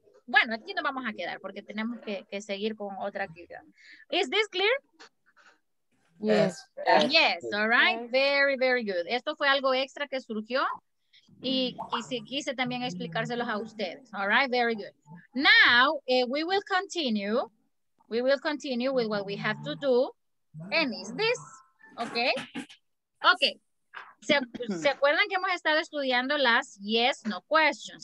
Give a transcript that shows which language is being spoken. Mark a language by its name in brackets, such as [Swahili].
[Spanish] Bueno, aquí nos vamos a quedar porque tenemos que seguir con otra actividad. [English] Is this clear? Yes. Yes, all right. Very, very good. [Spanish] Esto fue algo extra que surgió y quise también explicárselos a ustedes. [English] All right, very good. Now, we will continue. We will continue with what we have to do. And is this? Okay. Okay. [Spanish] ¿Se acuerdan que hemos estado estudiando las yes, no questions?